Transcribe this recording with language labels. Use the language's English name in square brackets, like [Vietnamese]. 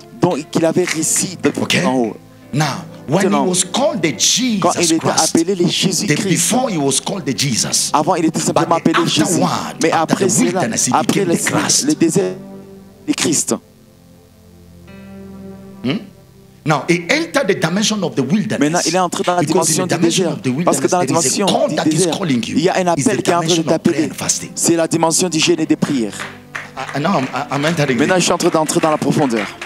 [French] dont qu'il avait reçu de [English] okay. [French] en haut. [English] Now, when he was called the Jesus [French] quand il était [English] Christ, [French] appelé le Jésus Christ, [English] before he was called the Jesus, [French] avant il était simplement appelé Jésus, mais après cela, après le Christ, le désert de Christ. [English] Now he entered the dimension of the wilderness. [French] Maintenant, il est entré dans la dimension du désert. Parce que dans la dimension du désert, il y a un appel qui est en train de t'appeler. C'est la dimension du jeûne et des prières. Maintenant, je suis en train d'entrer dans la profondeur.